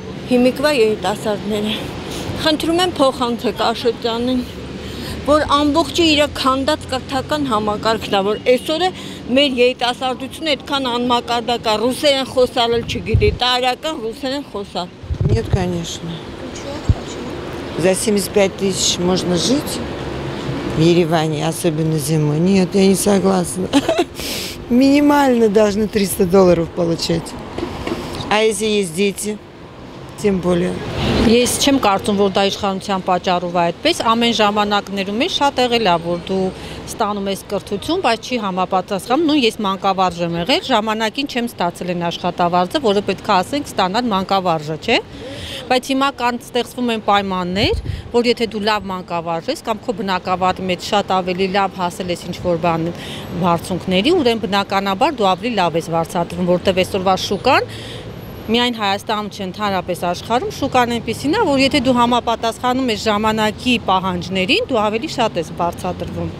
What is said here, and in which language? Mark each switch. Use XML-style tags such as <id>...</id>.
<hy>Հիմիկվա երիտասարդները, խնդրում եմ փոխանցեք Աշոտյանին, որ ամբողջը իր քանդած կրթական համակարգն է, որ այսօրը մեր երիտասարդությունը այդքան անմակարդակ է, ռուսերեն խոսալ չգիտի, տարական ռուսերեն խոսալ։</hy> <ru>Нет, конечно. За 75,000 можно жить в Ереване, особенно зимой? Нет, я не согласна. Минимально должны $300 получать. А если есть дети, тем более.</ru> <hy>Ես չեմ կարծում, որ դա իշխանության պատճառով է այդպես, ամեն ժամանակներում է շատ եղել է, որ դու ստանում ես կրթություն, բայց չի համապատասխան, նույն ես մանկավարժ եմ եղել, ժամանակին չեմ ստացել այն աշխատավարձը, որը պետք է ասենք ստանալ մանկավարժը, չէ՞։ Բայց հիմա կան ստեղծվում են պայմաններ, որ եթե դու լավ մանկավարժ ես կամ քո բնակավարի մեջ շատ ավելի լավ հասել ես ինչ-որ բան վարձունքների, ուրեմն բնականաբար դու ավելի լավ ես վարձատրվում, որտեղ այսօրվա շուկան միայն Հայաստանում չէ, ընդհանրապես աշխարհում շուկան այնպիսին է, որ եթե դու համապատասխանում ես ժամանակի պահանջներին, դու ավելի շատ ես բարձրացվում։</hy>